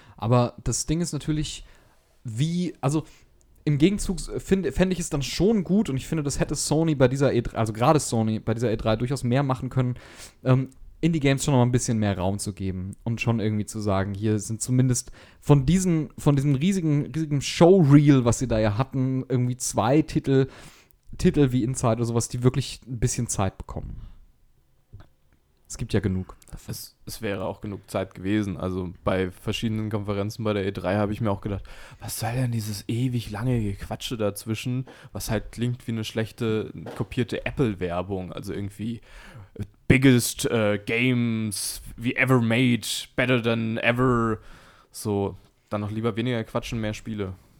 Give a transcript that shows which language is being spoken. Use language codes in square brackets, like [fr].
[de] Aber das Ding ist natürlich, wie, also im Gegenzug fände ich es dann schon gut und ich finde, das hätte Sony bei dieser E3, also gerade Sony bei dieser E3 durchaus mehr machen können, Indie-Games schon noch ein bisschen mehr Raum zu geben und schon irgendwie zu sagen, hier sind zumindest von diesem riesigen Showreel, was sie da ja hatten, irgendwie 2 Titel wie Inside oder sowas, die wirklich ein bisschen Zeit bekommen. Es gibt ja genug. Es wäre auch genug Zeit gewesen. Also bei verschiedenen Konferenzen bei der E3 habe ich mir auch gedacht, was soll denn dieses ewig lange Gequatsche dazwischen, was halt klingt wie eine schlechte kopierte Apple-Werbung. Also irgendwie [en] biggest games we ever made, better than ever. [de] So, dann noch lieber weniger quatschen, mehr Spiele.